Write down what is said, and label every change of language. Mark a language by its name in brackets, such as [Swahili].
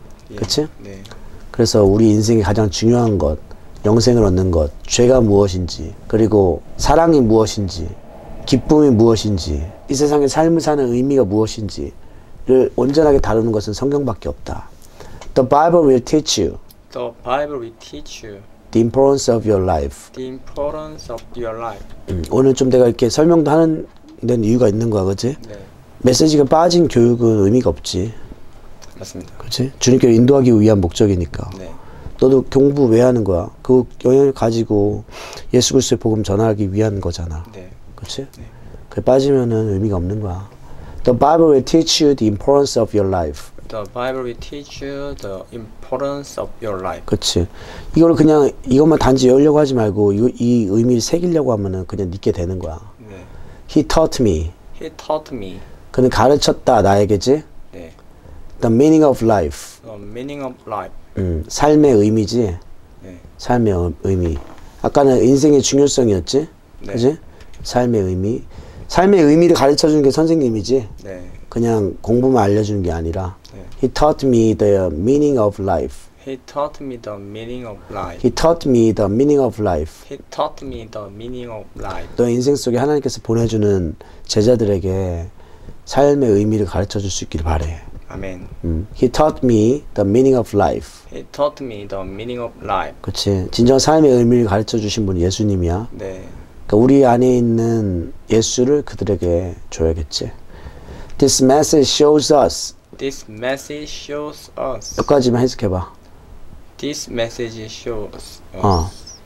[Korean] 예, 그치? 네. 그래서 우리 인생이 가장 중요한 것, 영생을 얻는 것, 죄가 무엇인지, 그리고 사랑이 무엇인지, 기쁨이 무엇인지, 이 세상에 삶을 사는 의미가 무엇인지를 온전하게 다루는 것은 성경밖에 없다. [English] The Bible will teach you. The Bible will teach you. The importance of your life. The importance of your life. [Korean] 오늘 좀 내가 이렇게 설명도 하는 데는 이유가 있는 거야, 그치? 네. 메시지가 빠진 교육은 의미가 없지. 맞습니다. 그치? 주님께 인도하기 위한 목적이니까. 네. 너도 공부 왜 하는 거야? 그 영향을 가지고 예수 그리스도의 복음 전하기 위한 거잖아. 그렇지? 그 빠지면은 의미가 없는 거야. [English] The Bible will teach you the importance of your life. The Bible will teach you the importance of your life. [Korean] 그렇지. 이걸 그냥 이것만 단지 열려고 하지 말고 이 의미를 새기려고 하면은 그냥 믿게 되는 거야. [English] He taught me. He taught me [Korean] 그는 가르쳤다 나에게지. [English] The meaning of life. the meaning of life. [Korean] 삶의 의미지. 삶의 의미. 아까는 인생의 중요성이었지. 그지? 삶의 의미. 삶의 의미를 가르쳐 주는 게 선생님이지. 그냥 공부만 알려주는 게 아니라. [English] He taught me the meaning of life. He taught me the meaning of life. He taught me the meaning of life. He taught me the meaning of life. [Korean] 너 인생 속에 하나님께서 보내주는 제자들에게 삶의 의미를 가르쳐 줄수 있기를 바래. [English] Amen. He taught me the meaning of life. He taught me the meaning of life. [Korean] 그치. 진정 삶의 의미를 가르쳐 주신 분이 예수님이야. 네. 그러니까 우리 안에 있는 예수를 그들에게 줘야겠지. [English] This message shows us. This message shows us. [Korean] 여기까지만 해석해 봐. [English] This message shows us.